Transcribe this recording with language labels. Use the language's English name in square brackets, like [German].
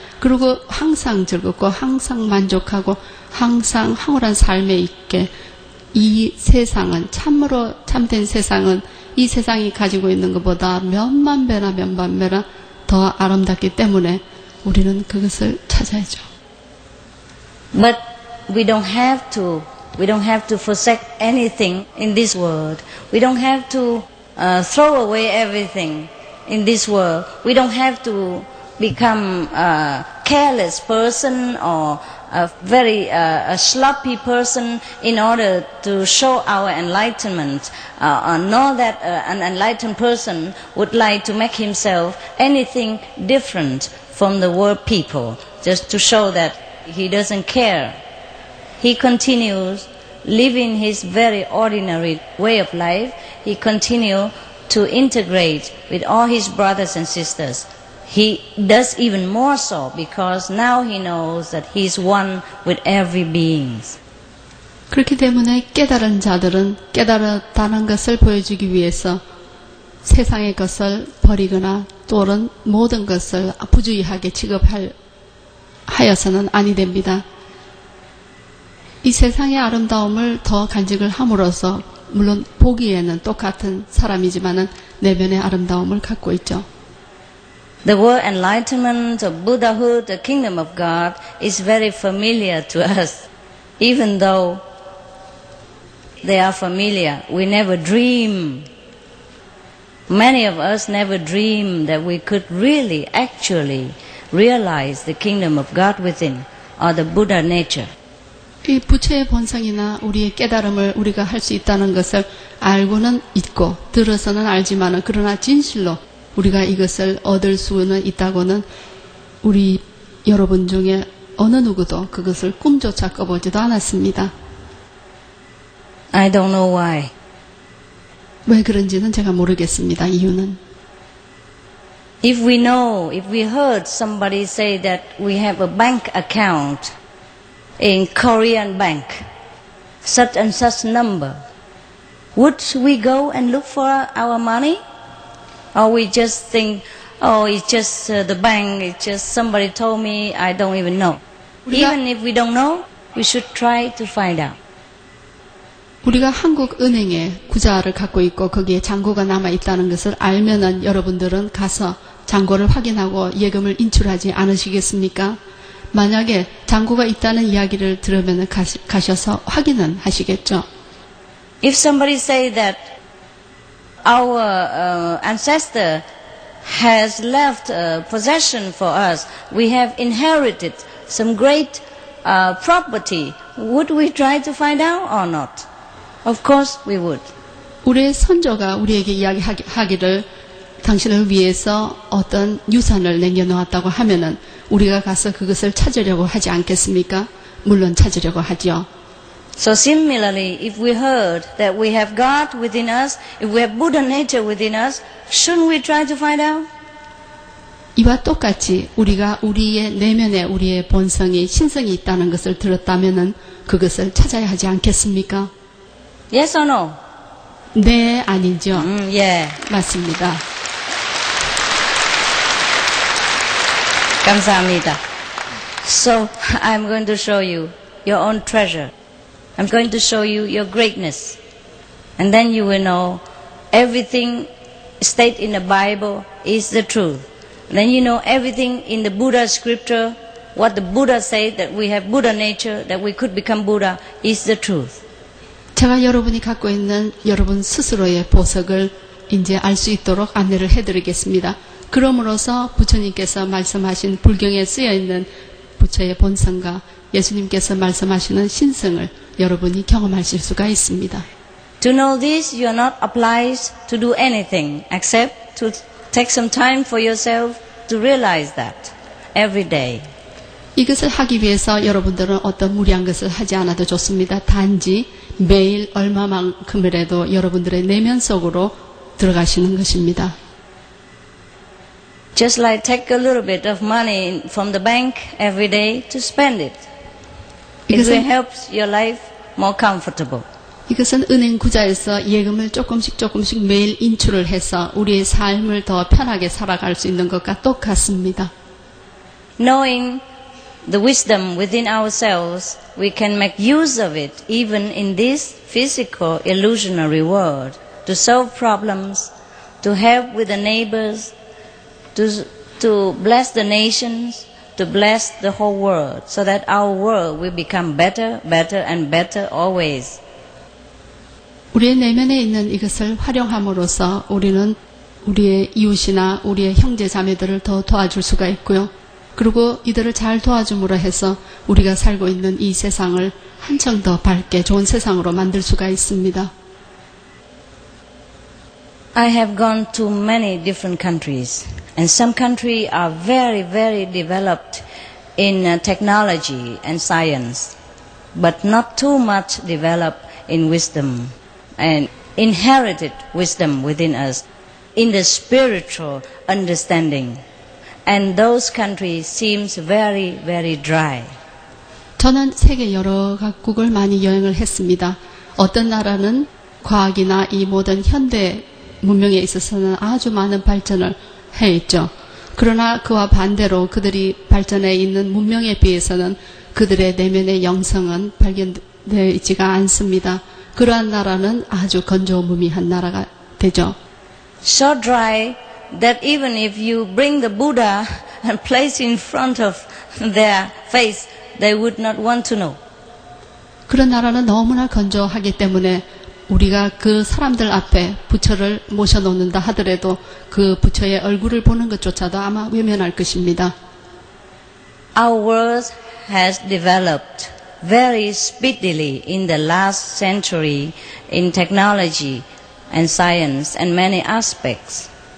[Korean] 그리고 항상 즐겁고 항상 만족하고 항상 황홀한 삶에 있게 이 세상은 참으로 참된 세상은 이 세상이 가지고 있는 것보다 몇만 배나 몇만 배나 더 아름답기 때문에 우리는 그것을 찾아야죠. [English] But we don't have to forsake anything in this world. We don't have to throw away everything in this world. We don't have to become a careless person or a very a sloppy person in order to show our enlightenment. Nor that an enlightened person would like to make himself anything different from the world people, just to show that he doesn't care. He continues living his very ordinary way of life. He continues to integrate with all his brothers and sisters. He does even more so because now he knows that he is one with every being. [Korean] 그렇기 때문에 깨달은 자들은 깨달았다는 것을 보여주기 위해서 세상의 것을 버리거나 또는 모든 것을 부주의하게 취급하여서는 아니 됩니다. 이 세상의 아름다움을 더 간직을 함으로써 물론 보기에는 똑같은 사람이지만은 내면의 아름다움을 갖고 있죠. [English] The word enlightenment or Buddhahood, the kingdom of God, is very familiar to us. Even though they are familiar, we never dream. Many of us never dream that we could really, actually realize the kingdom of God within or the Buddha nature. [Korean] 이 부처의 본성이나 우리의 깨달음을 우리가 할 수 있다는 것을 알고는 있고 들어서는 알지만은 그러나 진실로 우리가 이것을 얻을 수는 있다고는 우리 여러분 중에 어느 누구도 그것을 꿈조차 꺼보지도 않았습니다. [English] I don't know why. [Korean] 왜 그런지는 제가 모르겠습니다. 이유는. [English] If we know, if we heard somebody say that we have a bank account in Korean bank, such and such number, would we go and look for our money? Or we just think, oh, it's just the bank, it's just somebody told me, I don't even know. [Korean] 우리가, [English] even if we don't know, we should try to find out. [Korean] 우리가 한국은행에 구좌를 갖고 있고 거기에 잔고가 남아있다는 것을 알면은 여러분들은 가서 잔고를 확인하고 예금을 인출하지 않으시겠습니까? 만약에 잔고가 있다는 이야기를 들으면은 가셔서 확인은 하시겠죠? [English] If somebody say that our ancestor has left a possession for us. We have inherited some great property. Would we try to find out or not? Of course we would. [Korean] 우리의 선조가 우리에게 이야기하기를 당신을 위해서 어떤 유산을 남겨놓았다고 하면은 우리가 가서 그것을 찾으려고 하지 않겠습니까? 물론 찾으려고 하죠. [English] So similarly, if we heard that we have God within us, if we have Buddha nature within us, shouldn't we try to find out? [Korean] 이와 똑같이 우리가 우리의 내면에 우리의 본성이 신성이 있다는 것을 들었다면은 그것을 찾아야 하지 않겠습니까? Yes or no? 네, 아니죠. 예. 맞습니다. 감사합니다. [English] So I'm going to show you your own treasure. I'm going to show you your greatness. And then you will know everything stated in the Bible is the truth. And then you know everything in the Buddha scripture, what the Buddha said, that we have Buddha nature, that we could become Buddha, is the truth. [Korean] 제가 여러분이 갖고 있는 여러분 스스로의 보석을 이제 알 수 있도록 안내를 해드리겠습니다. 그러므로서 부처님께서 말씀하신 불경에 쓰여 있는 부처의 본성과 예수님께서 말씀하시는 신성을 여러분이 경험하실 수가 있습니다. [English] To know this, you are not obliged to do anything except to take some time for yourself to realize that every day. [Korean] 이것을 하기 위해서 여러분들은 어떤 무리한 것을 하지 않아도 좋습니다. 단지 매일 얼마만큼이라도 여러분들의 내면 속으로 들어가시는 것입니다. [English] Just like take a little bit of money from the bank every day to spend it. It will help your life more comfortable. [Korean] 이것은 은행 구좌에서 예금을 조금씩 조금씩 매일 인출을 해서 우리의 삶을 더 편하게 살아갈 수 있는 것과 똑같습니다. [English] Knowing the wisdom within ourselves, we can make use of it even in this physical illusionary world to solve problems, to help with the neighbors, to bless the nations, to bless the whole world, so that our world will become better, better and better always. [Korean] 우리의 내면에 있는 이것을 활용함으로써 우리는 우리의 이웃이나 우리의 형제 자매들을 더 도와줄 수가 있고요. 그리고 이들을 잘 도와줌으로 해서 우리가 살고 있는 이 세상을 한층 더 밝게 좋은 세상으로 만들 수가 있습니다. [English] I have gone to many different countries, and some countries are very, very developed in technology and science, but not too much developed in wisdom and inherited wisdom within us, in the spiritual understanding. And those countries seem very, very dry. [Korean] 저는 세계 여러 각국을 많이 여행을 했습니다. 어떤 나라는 과학이나 이 모든 현대 문명에 있어서는 아주 많은 발전을 해있죠. 그러나 그와 반대로 그들이 발전해 있는 문명에 비해서는 그들의 내면의 영성은 발견되어 있지가 않습니다. 그러한 나라는 아주 건조무미한 나라가 되죠. [English] So dry that even if you bring the Buddha and place in front of their face, they would not want to know. [Korean] 그런 나라는 너무나 건조하기 때문에 우리가 그 사람들 앞에 부처를 모셔놓는다 하더라도 그 부처의 얼굴을 보는 것조차도 아마 외면할 것입니다. [English] Our world has developed very speedily in the last century in technology and science and many aspects.